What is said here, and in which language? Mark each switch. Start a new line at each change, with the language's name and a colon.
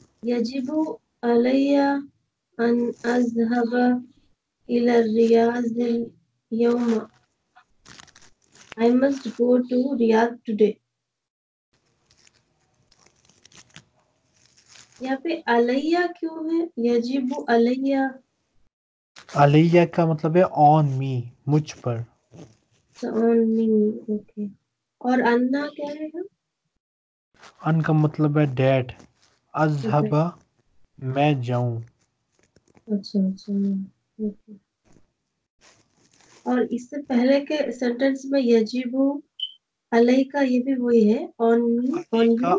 Arabic: Yajibu alayya an azhaba ila riyazil.
English: Yoma, I must go to Riyadh today.
Hindi: यहाँ पे अलैया क्यों है यजीबु अलैया अलैया का मतलब है on me मुझ पर so on me okay और अन्ना क्या है अन का मतलब है dad अज़हबा मैं जाऊँ अच्छा अच्छा okay और इससे पहले के सेंटेंस में यजीबु अलैका ये भी वही है ऑन मी ऑन यू